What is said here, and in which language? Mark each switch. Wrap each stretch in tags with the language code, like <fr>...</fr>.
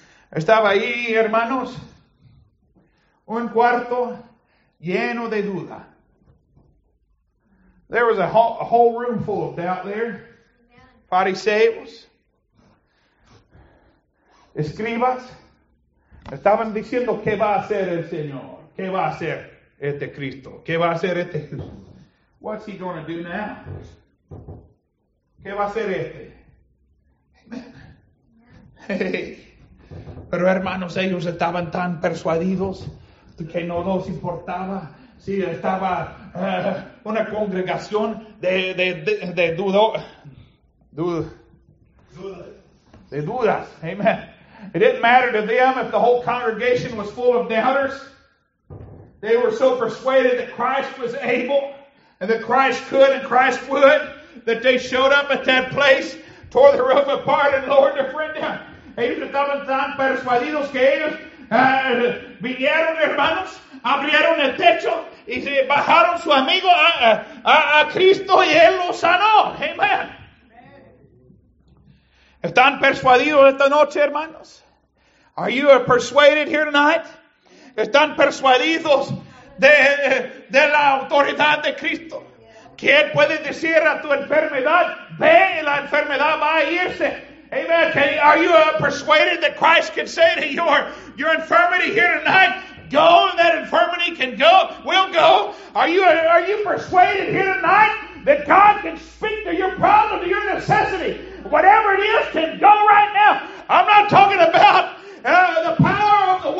<es>Estaba ahí, hermanos, un cuarto lleno de duda.</es> <en>There was a whole room full of doubt there.</en> <es>Fariseos, escribas, estaban diciendo, ¿qué va a hacer el Señor? ¿Qué va a hacer este Cristo? ¿Qué va a hacer este?</es> <en>What's he going to do now?</en> <es>¿Qué va a hacer este? Hey. Pero hermanos, ellos estaban tan persuadidos que no nos importaba. Sí, estaba una congregación de dudas. Amen.</es> <en>It didn't matter to them if the whole congregation was full of doubters. They were so persuaded that Christ was able and that Christ could and Christ would that they showed up at that place, tore the roof apart and lowered their friend down.</en> <es>Ellos estaban tan persuadidos que ellos vinieron, hermanos, abrieron el techo y se bajaron su amigo a Cristo y Él lo sanó. Amen. ¿Están persuadidos esta noche, hermanos?</es> <en>Are you persuaded here tonight?</en> <es>¿Están persuadidos de la autoridad de Cristo? ¿Quién puede decir a tu enfermedad, ve y la enfermedad va a irse? Amen.</es> <en>Are you persuaded that Christ can say to your infirmity here tonight, go and that infirmity can go, will go? Are you persuaded here tonight that God can speak to your problem, to your necessity? Whatever it is, can go right now. I'm not talking about the power of the word.</en>